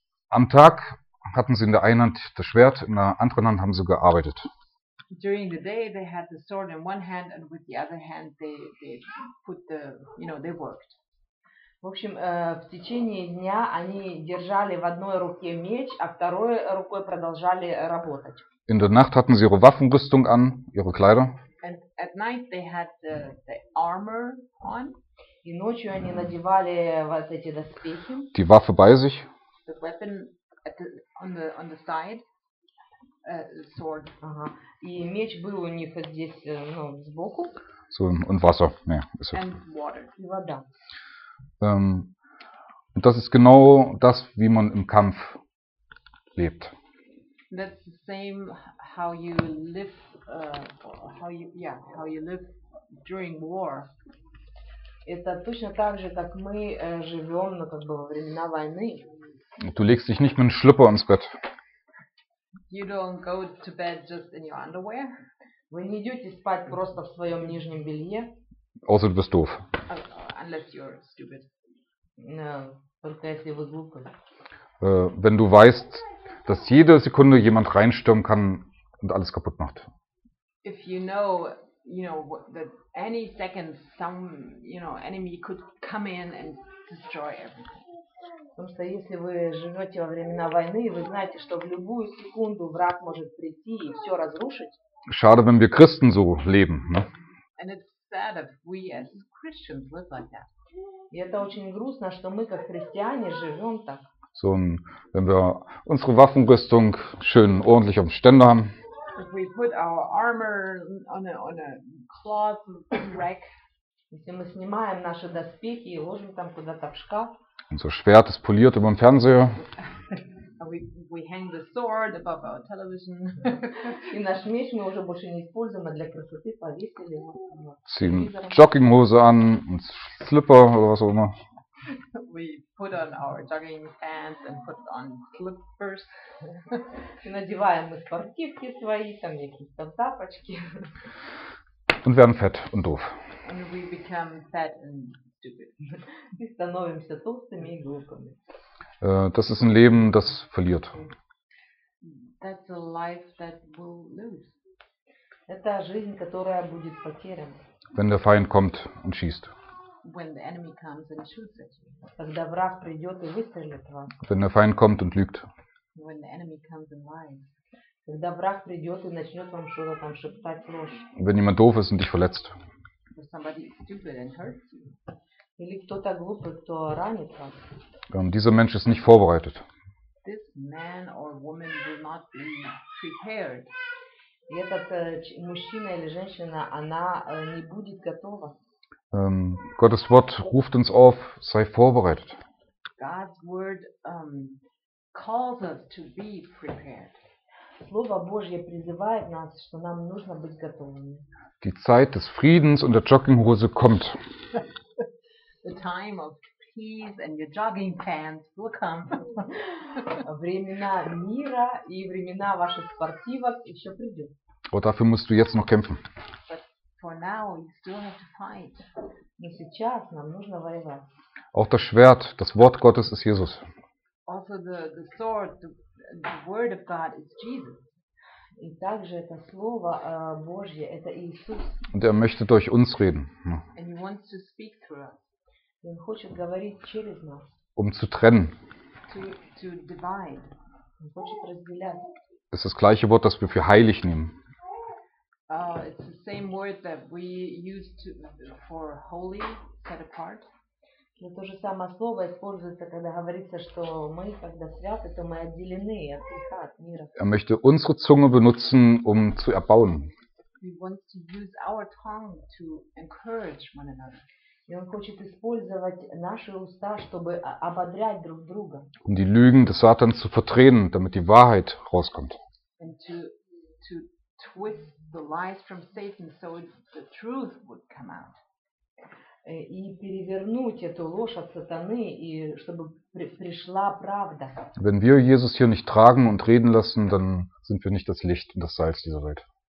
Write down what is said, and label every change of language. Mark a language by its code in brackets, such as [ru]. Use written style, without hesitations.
[de] Am Tag hatten sie in der einen Hand das Schwert, in der anderen Hand haben sie gearbeitet. [en] During the day they had the sword in one hand and with the other hand they put the, you know, they worked. [ru] В общем, в течение дня они держали в одной руке меч, а второй рукой продолжали работать. [de] In der Nacht hatten sie ihre Waffenrüstung an, ihre Kleider. [en] And at night they had the armor on. [ru] И ночью они надевали вот эти доспехи. [de] Die Waffe bei sich. [en] The weapon on the side. Sword. [ru] И меч был у них здесь, ну, сбоку. [de] So, und Wasser. Ja, ist [en] and water. [ru] И вода. [de] Und das ist genau das, wie man im Kampf lebt. [en] That's the same how you live, how you live during war. [ru] Это точно так же, как мы живем, ну, как бы во времена войны. [de] Du legst dich nicht mit einem Schlüpper ins Bett. [en] You don't go to bed just in your underwear. [ru] Вы не идете спать просто в своем нижнем белье. [de] Außer du bist doof. [en] Unless you're stupid. [ru] No, только если вы глупый. [de] Wenn du weißt, dass jede Sekunde jemand reinstürmen kann und alles kaputt macht. [en] If you know that any second some, you know, enemy could come in and destroy everything. [ru] Потому что если вы живете во времена войны, вы знаете, что в любую секунду враг может прийти и все разрушить. [de] Schade, wenn wir Christen so leben, ne? [en] And it's sad if we as Christians live like that. [ru] И это очень грустно, что мы как христиане живем так. [de] So, wenn wir unsere Waffenrüstung schön ordentlich am Ständer haben. [en] If we put our armor on a cloth rack. [ru] Если мы снимаем наши доспехи и ложим там куда-то в шкаф. [de] Unser Schwert ist poliert über dem Fernseher. [en] We hang the sword above our television. [ru] И наш меч мы уже больше не используем, а для красоты повесили. [de] Ziehen Jogginghose an und Slipper oder was auch immer. [en] We put on our jogging pants and put on slippers. [ru] Надеваем мы спортивки свои, там какие-то тапочки. [de] Und werden fett und doof. [en] And we become fat and stupid. [ru] И становимся толстыми и глупыми. [de] Das ist ein Leben, das verliert. [en] That's a life that will lose. [ru] Это жизнь, которая будет потеряна. [de] Wenn der Feind kommt und schießt. [en] when the enemy comes and shoots at you. [ru] Когда враг придет и выстрелит вам. [de] Wenn der Feind kommt und lügt. [en] When the enemy comes and lies. [ru] Когда враг придет и начнет вам что-то там шептать ложь. [de] Wenn jemand doof ist und dich verletzt. [en] If somebody is stupid and hurts you. [ru] Или кто-то глупый, кто ранит вас. [de] Dieser Mensch ist nicht vorbereitet. [en] This man or woman will not be prepared. [ru] И этот мужчина или женщина, она не будет готова. [de] Gottes Wort ruft uns auf, sei vorbereitet. [en] God's word calls us to be prepared. [ru] Слово Божье призывает нас, что нам нужно быть готовыми. [de] Die Zeit des Friedens und der Jogginghose kommt. [en] The time of peace and your jogging pants will come. [ru] Времена мира и времена ваших спортивок еще придут. [de] Aber dafür musst du jetzt noch kämpfen. [en] For now, you still have to fight. [ru] Но сейчас нам нужно воевать. [de] Auch das Schwert, das Wort Gottes ist Jesus. [en] Also the sword, the word of God is Jesus. [ru] И также это слово Божье, это Иисус. [de] Und er möchte durch uns reden. [en] And he wants to speak through us. [ru] И он хочет говорить через нас. [de] Um zu trennen. [en] To divide. [ru] Он хочет разделять. [de] Es ist das gleiche Wort, das wir für heilig nehmen. [en] It's the same word that we use for holy, set apart. [ru] Но то же самое слово используется, когда говорится, что мы, когда святы, то мы отделены от греха, от мира. [de] Er möchte unsere Zunge benutzen, um zu erbauen. [en] He wants to use our tongue to encourage one another. [ru] И он хочет использовать наши уста, чтобы ободрять друг друга. [de] Um die Lügen des Satans zu verdrehen, damit die Wahrheit rauskommt. [en] And to twist the lies from Satan so the truth would come out. [ru] И перевернуть эту ложь от сатаны, и чтобы пришла правда. [de] Wenn wir Jesus hier nicht tragen und reden lassen, dann sind wir nicht das Licht und das Salz dieser Welt.